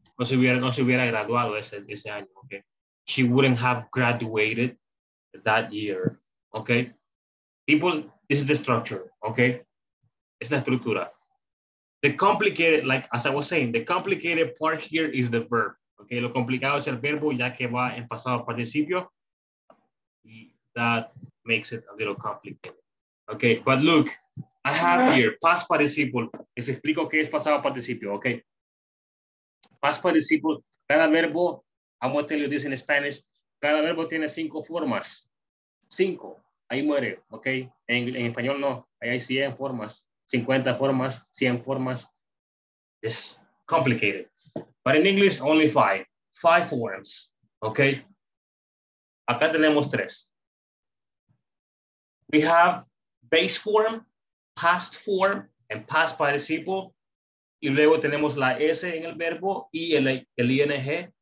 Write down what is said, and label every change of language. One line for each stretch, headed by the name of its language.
Spanish: No se hubiera graduado ese año. Okay.
English: She wouldn't have graduated that year.
Spanish: Okay.
English: People, this is the structure. Okay.
Spanish: Es la estructura.
English: The complicated, like as I was saying, the complicated part here is the verb. Okay.
Spanish: Lo complicado es el verbo ya que va en pasado participio.
English: That makes it a little complicated. Okay. But look, I have here past participle.
Spanish: Les explico qué es pasado participio. Okay. Past participle, cada verbo,
English: I'm going to tell you this in Spanish,
Spanish: cada verbo tiene cinco formas. Cinco. Ahí muere. Okay. En español no. Ahí hay 100 formas. 50 formas, 100 formas.
English: It's complicated. But in English, only five. Five forms. Okay.
Spanish: Acá tenemos tres.
English: We have base form, past form, and past participle.
Spanish: Y luego tenemos la S en el verbo y el ING.